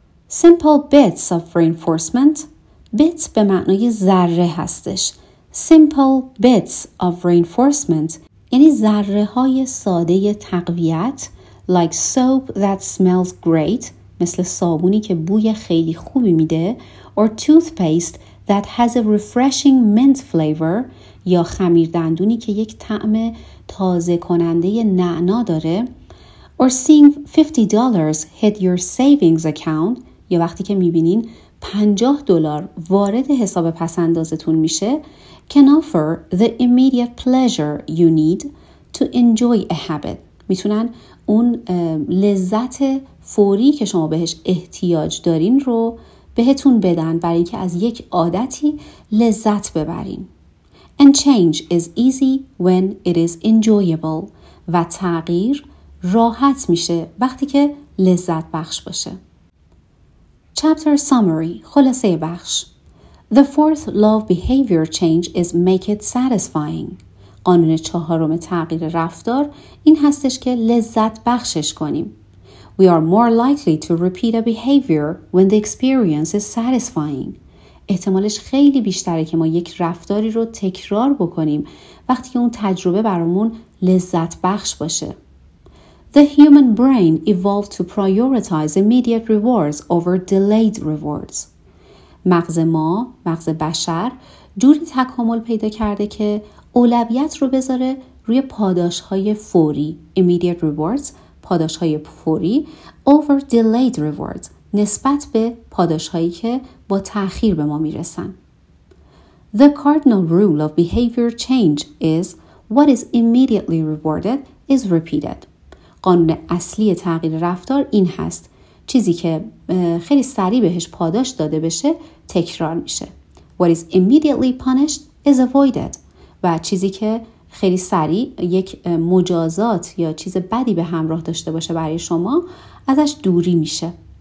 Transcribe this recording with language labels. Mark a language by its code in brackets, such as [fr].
[en] Simple bits of reinforcement. Bits [fa] به معنای ذره هستش. [en] Simple bits of reinforcement. [fa] یعنی ذره های ساده تقویت. [en] Like soap that smells great. [fa] مثل صابونی که بوی خیلی خوبی میده. [en] Or toothpaste that has a refreshing mint flavor. [fa] یا خمیر دندونی که یک طعم تازه کننده نعنا داره. [en] Or seeing $50 hit your savings account. [fa] یا وقتی که میبینین $50 وارد حساب پسندازتون میشه. [en] Can offer the immediate pleasure you need to enjoy a habit. [fa] میتونن اون لذت فوری که شما بهش احتیاج دارین رو بهتون بدن برای اینکه از یک عادتی لذت ببرین. [en] And change is easy when it is enjoyable. [fa] و تغییر راحت میشه وقتی که لذت بخش باشه. [en] Chapter summary، [fa] خلاصه بخش. [en] The fourth law of behavior change is make it satisfying. [fa] قانون چهارم تغییر رفتار این هستش که لذت بخشش کنیم. [en] We are more likely to repeat a behavior when the experience is satisfying. [fa] احتمالش خیلی بیشتره که ما یک رفتاری رو تکرار بکنیم وقتی که اون تجربه برامون لذت بخش باشه. [en] The human brain evolved to prioritize immediate rewards over delayed rewards. [fa] مغز ما، مغز بشر، جوری تکامل پیدا کرده که اولویت رو بذاره روی پاداش‌های فوری، [en] immediate rewards، [fa] پاداش‌های فوری، [en] over delayed rewards، [fa] نسبت به پاداش‌هایی که با تأخیر به ما میرسن. [en] The cardinal rule of behavior change is what is immediately rewarded is repeated. [fa] قانون اصلی تغییر رفتار این هست. چیزی که خیلی سریع بهش پاداش داده بشه تکرار میشه. [en] What is immediately punished is avoided. [fa] و چیزی که خیلی سریع یک مجازات یا چیز بدی به همراه داشته باشه برای شما ازش دوری میشه.